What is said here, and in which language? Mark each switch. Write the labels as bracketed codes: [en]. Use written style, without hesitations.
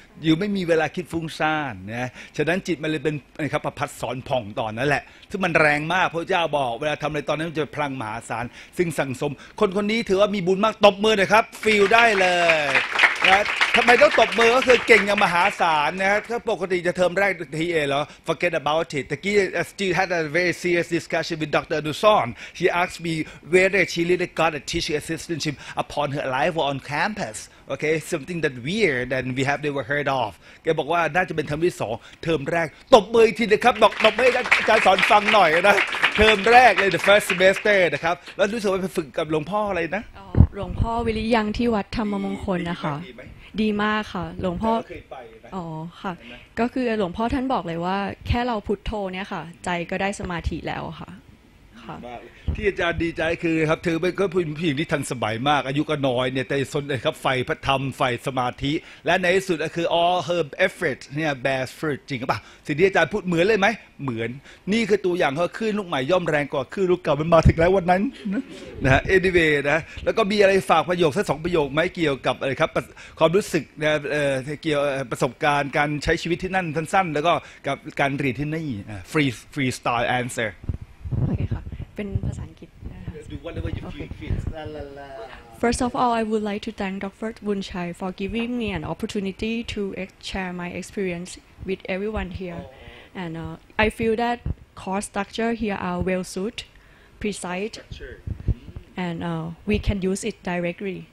[th] อยู่ไม่มีเวลาคิดฟุ้งซ่านนะฉะนั้นจิตมันเลยเป็นนะครับประพัดสอนผ่องตอนนั้นแหละซึ่งมันแรงมากพระเจ้าบอกเวลาทำอะไรตอนนั้นมันจะพลังมหาศาลซึ่งสั่งสมคนคนนี้ถือว่ามีบุญมากตบมือนะครับฟีลได้เลยนะทำไมต้องตบมือก็คือเก่งอย่างมหาศาลนะถ้าปกติจะเทอมแรกทีเอแล้ว [en] forget about it [th] ตะกี้ [en] still had a very serious discussion with Dr. Anuson he asked me whether she really got a teaching assistantship upon her arrival on campusOkay, something that weird and we have never heard of. [th] แกบอกว่าน่าจะเป็นเทอมที่สองเทอมแรกตบมืออีกทีนะครับบอกตบมือให้อาจารย์สอนฟังหน่อยนะเทอมแรกเลย [en] the first semester [th] นะครับแล้วรู้สึกว่าไปฝึกกับหลวงพ่ออะไรนะ หลวงพ่อวิริยังที่วัดธรรมมงคลนะคะดีมากค่ะหลวงพ่ออ๋อค่ะก็คือหลวงพ่อท่านบอกเลยว่าแค่เราพุทโธเนี่ยค่ะใจก็ได้สมาธิแล้วค่ะ ที่อาจารย์ดีใจคือครับถือเป็นผู้หญิงที่ทันสมัยมากอายุก็น้อยเนี่ยแต่สนเลยครับไฟพระธรรมไฟสมาธิและในที่สุดก็คือ [en] all her effort [th] เนี่ย [en] bears fruit [th] จริงป่ะสิ่งที่อาจารย์พูดเหมือนเลยไหมเหมือนนี่คือตัวอย่างเขาขึ้นลูกใหม่ย่อมแรงกว่าขึ้นลูกเก่ามันมาถึงแล้ววันนั้นนะ [en] anyway [th] นะแล้วก็มีอะไรฝากประโยคสักสองประโยคไหมเกี่ยวกับอะไรครับความรู้สึกนะเกี่ยวประสบการณ์การใช้ชีวิตที่นั่นสั้นๆแล้วก็กับการเรียนที่นี่ [en] freestyle answer [th] เป็นภาษาอังกฤษนะค ะ [en] First of all, I would like to thank Dr. Boon Chai for giving me an opportunity to share my experience with everyone here. And I feel that course structure here are well suited, precise, and we can use it directly.